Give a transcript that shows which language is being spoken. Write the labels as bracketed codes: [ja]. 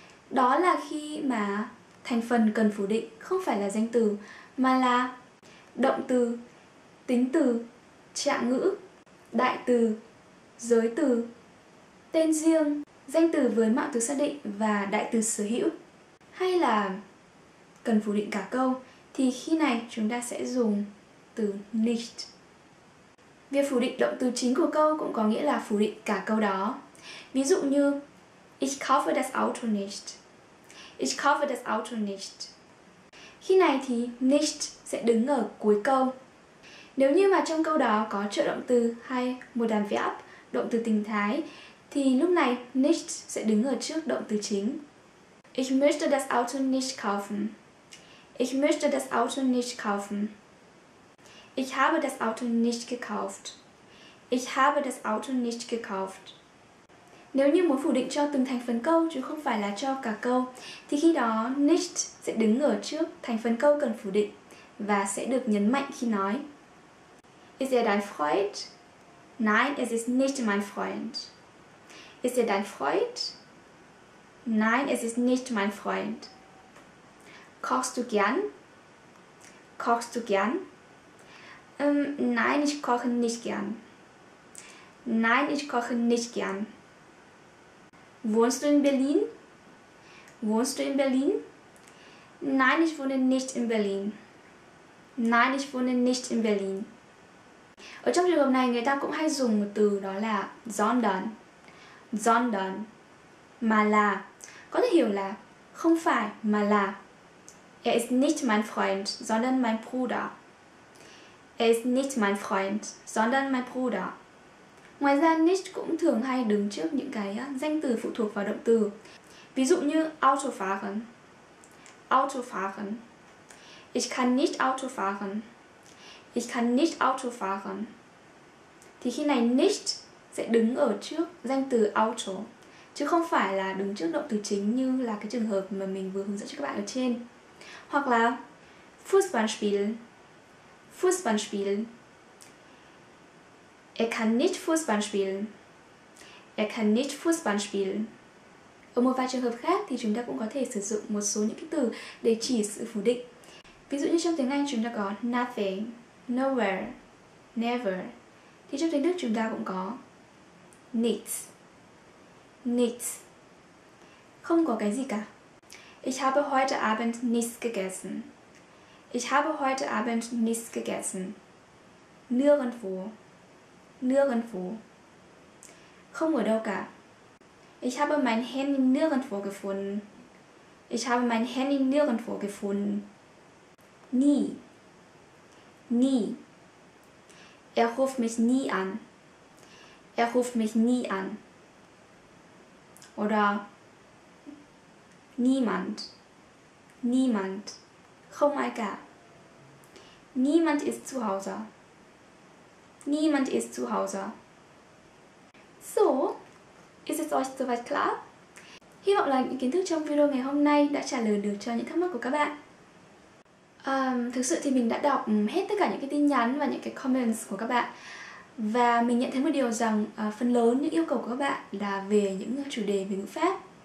[vi] Đó là khi mà thành phần cần phủ định không phải là danh từ mà là động từ, tính từ, trạng ngữ, đại từ, giới từ, tên riêng, danh từ với mạo từ xác định và đại từ sở hữu, hay là cần phủ định cả câu, thì khi này chúng ta sẽ dùng từ nicht. Việc phủ định động từ chính của câu cũng có nghĩa là phủ định cả câu đó. Ví dụ như [de] Ich kaufe das Auto nicht. Ich kaufe das Auto nicht. [vi] Khi này thì nicht sẽ đứng ở cuối câu. Nếu như mà trong câu đó có trợ động từ hay một đàm verb, động từ tình thái, thì lúc này nicht sẽ đứng ở trước động từ chính. [de] Ich möchte das Auto nicht kaufen. Ich möchte das Auto nicht kaufen. Ich habe das Auto nicht gekauft. Ich habe das Auto nicht gekauft. [vi] Nếu như muốn phủ định cho từng thành phần câu chứ không phải là cho cả câu, thì khi đó nicht sẽ đứng ở trước thành phần câu cần phủ định và sẽ được nhấn mạnh khi nói. [de] Ist dein Freund? Nein, es ist nicht mein Freund. Ist dein Freund? Nein, es ist nicht mein Freund. Kochst du gern? Kochst du gern? Nein, ich koche nicht gern. Nein, ich koche nicht gern. Wohnst du in Berlin? Wohnst du in Berlin? Nein, ich wohne nicht in Berlin. Nein, ich wohne nicht in Berlin. [vi] Ở trong trường hợp này, người ta cũng hay dùng một từ đó là sondern. Sondern. Mà là. Có thể hiểu là không phải mà là. [de] Er ist nicht mein Freund, sondern mein Bruder. Er ist nicht mein Freund, sondern mein Bruder. [vi] Ngoài ra, nicht cũng thường hay đứng trước những cái danh từ phụ thuộc vào động từ. Ví dụ như Autofahren. [de] Autofahren. Ich kann nicht Autofahren. Ich kann nicht Autofahren. [vi] Thì khi này nicht sẽ đứng ở trước danh từ Auto, chứ không phải là đứng trước động từ chính như là cái trường hợp mà mình vừa hướng dẫn cho các bạn ở trên. Hoặc là [de] Fußball spielen. Fußball spielen. Er kann nicht Fußball spielen. Er kann nicht Fußball spielen. [vi] Ở một vài trường hợp khác thì chúng ta cũng có thể sử dụng một số những cái từ để chỉ sự phủ định. Ví dụ như trong tiếng Anh chúng ta có nothing, nowhere, never. Thì trong tiếng Đức chúng ta cũng có nichts, nichts. Không có cái gì cả. [de] Ich habe heute Abend nichts gegessen. Ich habe heute Abend nichts gegessen. [vi] Nirgendwo. Nirgendwo. Không ở đâu cả. [de] Ich habe mein Handy nirgendwo gefunden. Ich habe mein Handy nirgendwo gefunden. Nie. Nie. Er ruft mich nie an. Er ruft mich nie an. Oder niemand. Niemand. [vi] Không ai cả. [de] Niemand ist zu Hause. Niemand ist zu Hause. So, ist es euch soweit klar? [vi] Hy vọng là những kiến thức trong video ngày hôm nay đã trả lời được cho những thắc mắc của các bạn. Thực sự thì mình đã đọc hết tất cả những cái tin nhắn và những cái comments của các bạn. Và mình nhận thấy một điều rằng phần lớn những yêu cầu của các bạn là về những chủ đề về ngữ pháp.